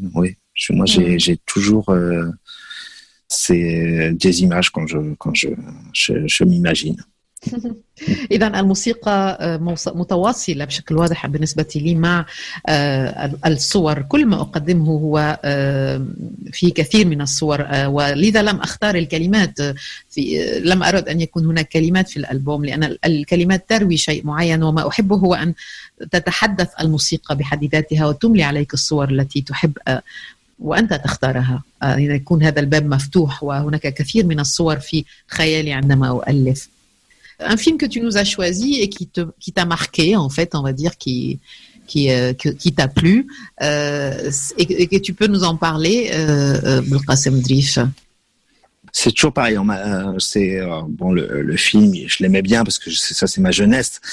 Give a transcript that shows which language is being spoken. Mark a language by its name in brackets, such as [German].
[French] Oui, j'ai toujours c'est des images quand je m'imagine. [Arabic] إذن الموسيقى متواصلة بشكل واضح بالنسبة لي مع الصور. كل ما أقدمه هو في كثير من الصور, ولذا لم أختار الكلمات, لم أرد أن يكون هناك كلمات في الألبوم لأن الكلمات تروي شيء معين, وما أحبه هو أن تتحدث الموسيقى بحد ذاتها وتملي عليك الصور التي تحب وأنت تختارها, إذا يكون هذا الباب مفتوح. وهناك كثير من الصور في خيالي عندما أؤلف. [French] Un film que tu nous as choisi et qui t'a marqué, en fait, on va dire, qui t'a plu, et que tu peux nous en parler, Boulkassem Drif. C'est toujours pareil. Le film, je l'aimais bien parce que ça, c'est ma jeunesse.